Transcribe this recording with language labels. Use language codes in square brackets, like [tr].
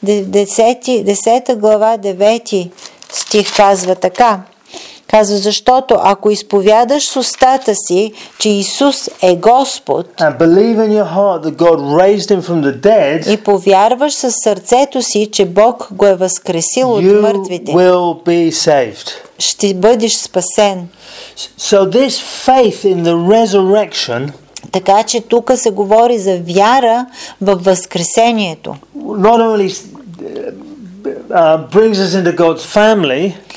[bg] Десета глава, 9 стих казва така. Казва, защото ако изповядаш с устата си, че Исус е Господ, [en] and believe in your heart that God raised him from the dead, [bg] и повярваш със сърцето си, че Бог го е възкресил от мъртвите, [en] you will be saved. [bg] Ще бъдеш спасен. [en] So this faith in the resurrection, [bg] така че тук се говори за вяра в възкресението. [en] Not only brings us into God's family.